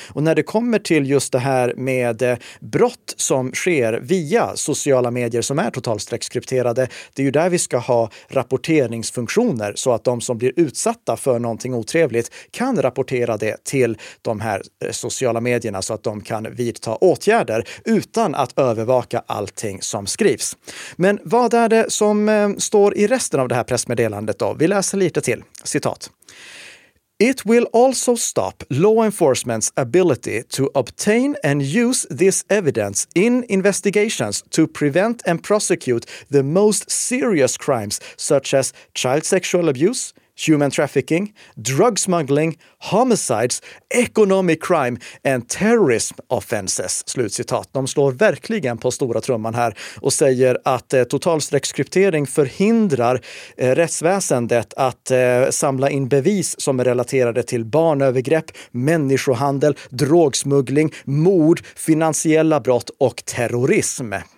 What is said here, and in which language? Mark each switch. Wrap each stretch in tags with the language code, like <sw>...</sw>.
<sv>Och när det kommer till just det här med brott som sker via sociala medier som är totalstreckskrypterade, det är ju där vi ska ha rapporteringsfunktioner så att de som blir utsatta för någonting otrevligt kan rapportera det till de här sociala medierna så att de kan vidta åtgärder utan att övervaka allting som skrivs. Men vad är det som står i resten av det här pressmeddelandet då? Vi läser lite till. Citat.</sv> <en>"It will also stop law enforcement's ability to obtain and use this evidence in investigations to prevent and prosecute the most serious crimes such as child sexual abuse, human trafficking, drug smuggling, homicides, economic crime and terrorism offenses."</en> <sv>Slutcitat. De slår verkligen på stora trumman här och säger att totalstreckskryptering förhindrar rättsväsendet att samla in bevis som är relaterade till barnövergrepp, människohandel, drogsmuggling, mord, finansiella brott och terrorism.</sv>